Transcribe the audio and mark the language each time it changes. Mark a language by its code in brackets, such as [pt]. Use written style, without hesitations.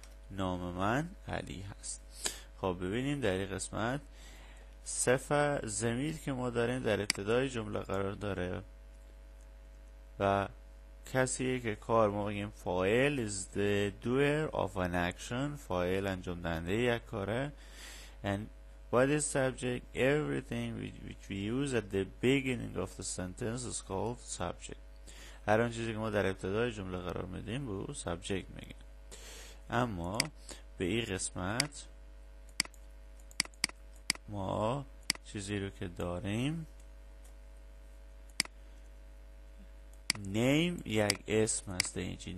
[fa] نام من علی هست. خب ببینیم در این قسمت صفه ضمیر که ما داریم در ابتدای جمله قرار داره و کسیه که کار ما بگیم فاعل [en] is the doer of an action. [fa] فاعل انجام دهنده یک کاره. [en] And what is subject? Everything which we use at the beginning of the sentence is called subject. [fa] هر اون چیزی که ما در ابتدای جمله قرار میدیم به subject میگن. اما به این قسمت ما چیزی رو که داریم name یک اسم هسته اینجی.